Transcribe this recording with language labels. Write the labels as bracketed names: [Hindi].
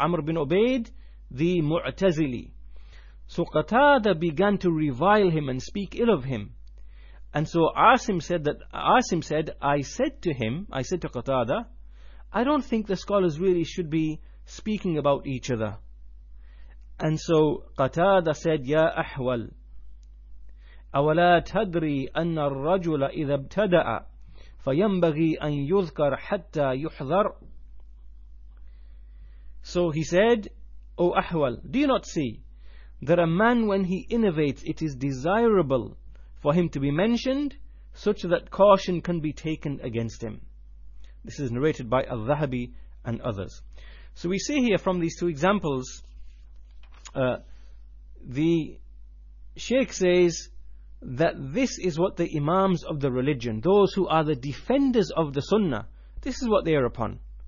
[English] Amr bin Ubaid, the Mu'tazili. So Qatada began to revile him and speak ill of him. And so Asim said, I said to Qatada, I don't think the scholars really should be speaking about each other. And so Qatada said, [Arabic] Ya Ahwal, أولا تدري أن الرجل إذا ابتدأ فينبغي أن يذكر حتى يحذر. [English] So he said, O Ahwal, do you not see that a man, when he innovates, it is desirable for him to be mentioned such that caution can be taken against him? This is narrated by Al-Dhahabi and others. So we see here from these two examples, the Shaykh says that this is what the imams of the religion, those who are the defenders of the sunnah, this is what they are upon.